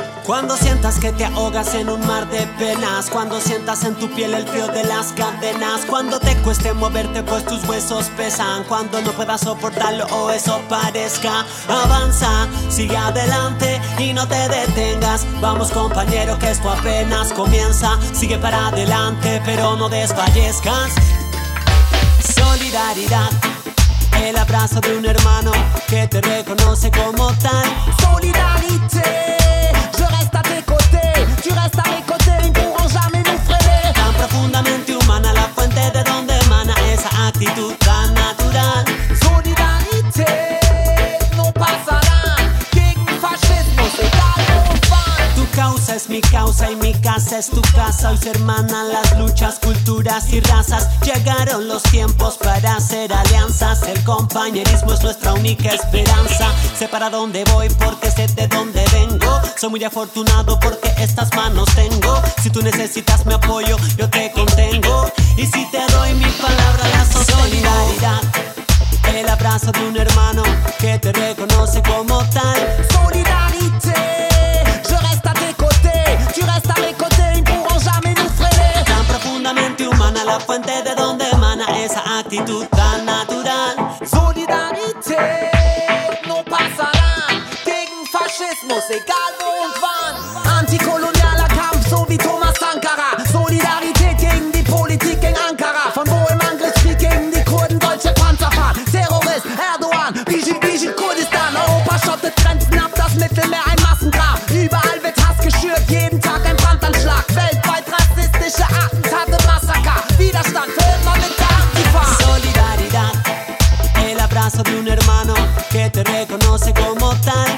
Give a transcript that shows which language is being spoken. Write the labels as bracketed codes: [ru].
[es] Cuando sientas que te ahogas en un mar de penas, cuando sientas en tu piel el frío de las cadenas, cuando te cueste moverte pues tus huesos pesan, cuando no puedas soportarlo o eso parezca, avanza, sigue adelante y no te detengas. Vamos compañero que esto apenas comienza, sigue para adelante pero no desfallezcas. Solidaridad, el abrazo de un hermano que te reconoce como tal. [fr] Solidarité. Je reste à tes côtés, tu restes à mes côtés, ils ne pourront jamais nous freiner. [es] Tan profundamente humana, la fuente de donde emana esa actitud tan natural. [fr] Solidarité, non passera, [es] que mi fascismo se calme. Tu causa es mi causa y mi casa es tu casa. Hoy se hermanan las luchas, culturas y razas. Llegaron los tiempos para hacer alianzas. El compañerismo es nuestra única esperanza. Sé para dónde voy porque sé de dónde vengo. Soy muy afortunado porque estas manos tengo. Si tú necesitas mi apoyo, yo te contengo. Y si te doy mi palabra, la sostengo. Solidaridad, el abrazo de un hermano que te reconoce como tal. [fr] Solidarité, je reste à tes côtés, tu restes à mes côtés, ils ne pourront jamais nous freiner. [es] Tan profundamente humana, la fuente de donde emana esa actitud tan natural. Solidarité, no pasará. Fascismo se calmo un fan. [de] Anticoloniale Kampf, so wie Thomas Sankara. Solidarität gegen die Politik in Ankara. Von wo im Angriff spielt gegen die Kurden, deutsche Panzerfahrt. Terrorist, Erdogan, Bijin, Bijin, Kurdistan. Europa schottet Grenzen ab, das Mittelmeer ein Massengrab. Überall wird Hass geschürt, jeden Tag ein Brandanschlag. Weltweit rassistische Attentate, Massaker. Widerstand für immer mit der Antifa. [es] Solidaridad, el abrazo de un hermano que te reconoce como tal.